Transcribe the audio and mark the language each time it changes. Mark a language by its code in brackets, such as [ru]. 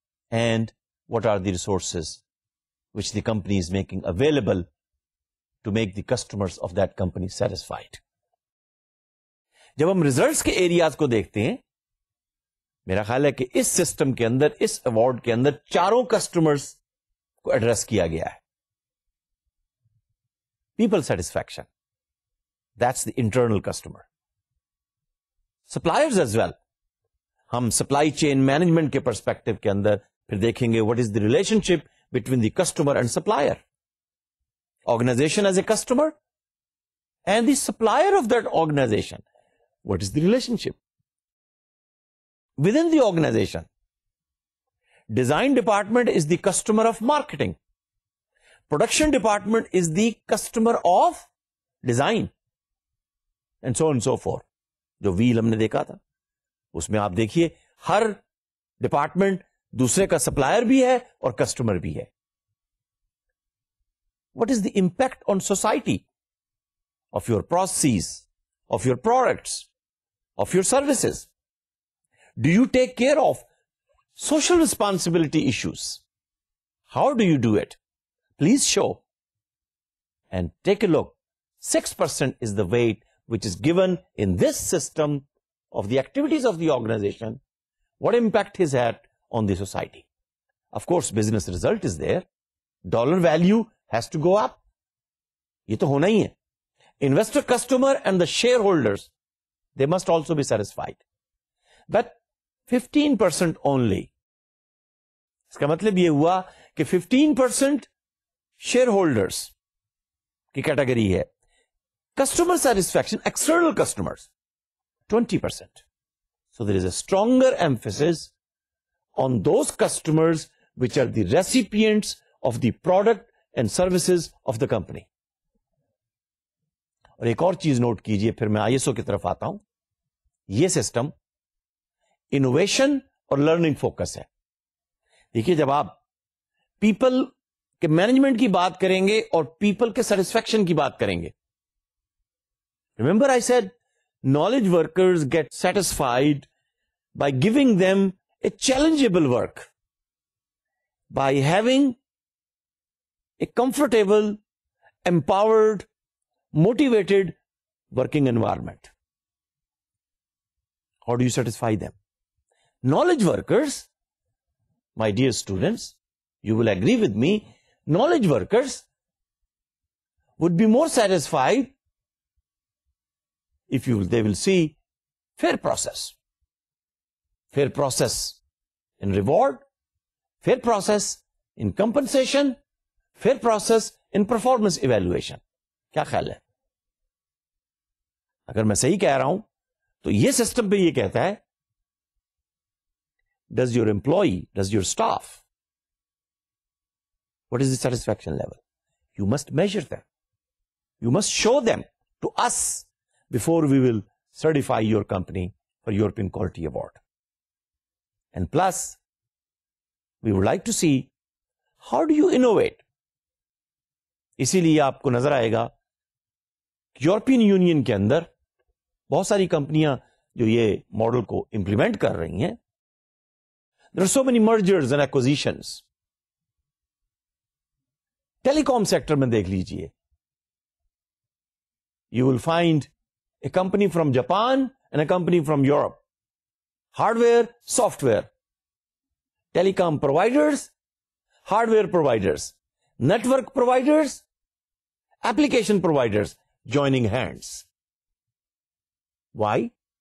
[en] And what are the resources which the company is making available to make the customers of that company satisfied. [ur] جب ہم results کے areas کو دیکھتے ہیں, میرا خیال ہے کہ اس سسٹم کے اندر, اس ایوارڈ کے اندر چاروں کسٹمرز کو ایڈریس کیا گیا ہے. [en] People satisfaction, that's the internal customer. Suppliers as well, [ur] ہم سپلائی چین مینجمنٹ کے پرسپیکٹو کے اندر پھر دیکھیں گے [en] What is the relationship between the customer and supplier, organization as a customer and the supplier of that organization, what is the relationship within the organization. Design department is the customer of marketing, production department is the customer of design, and so and so forth. [ur] جو well ہم نے دیکھا تھا اس میں آپ دیکھیے ہر department دوسرے کا سپلائر بھی ہے اور کسٹمر بھی ہے. [en] What is the impact on society of your processes, of your products, of your services? Do you take care of social responsibility issues? How do you do it? Please show and take a look. 6% is the weight which is given in this system of the activities of the organization. What impact is that on the society? Of course, business result is there. Dollar value has to go up. [ur] یہ تو ہونا ہی ہے. [en] Investor, customer and the shareholders, they must also be satisfied. But 15% only. [ur] اس کا مطلب یہ ہوا کہ 15% shareholders کی category ہے. [en] Customer satisfaction, external customers, 20%. So there is a stronger emphasis on those customers which are the recipients of the product and services of the company. [ur] اور ایک اور چیز نوٹ کیجئے، پھر میں ISO کی طرف آتا ہوں. یہ سسٹم انوویشن اور لرننگ فوکس ہے. دیکھیے جب آپ پیپل کے مینجمنٹ کی بات کریں گے اور پیپل کے سیٹسفیکشن کی بات کریں گے، [en] Remember I said knowledge workers get satisfied by giving them a challengeable work by having a comfortable, empowered, motivated working environment. How do you satisfy them? Knowledge workers, my dear students, you will agree with me, knowledge workers would be more satisfied if you they will see fair process. Fair process in reward, fair process in compensation, fair process in performance evaluation. [ur] کیا خیال ہے؟ اگر میں صحیح کہہ رہا ہوں تو یہ سسٹم پہ یہ کہتا ہے، [en] does your employee, does your staff, what is the satisfaction level? You must measure them. You must show them to us before we will certify your company for European Quality Award. And plus, we would like to see how do you innovate. [ur] اسی لیے آپ کو نظر آئے گا European union کے اندر بہت ساری کمپنیاں جو یہ ماڈل کو امپلیمنٹ کر رہی ہیں. [en] There are so many mergers and acquisitions. [ur] Telecom sector میں دیکھ لیجئے. [en] You will find a company from Japan and a company from Europe. Hardware, software. Telecom providers, hardware providers. Network providers, application providers joining hands. Why?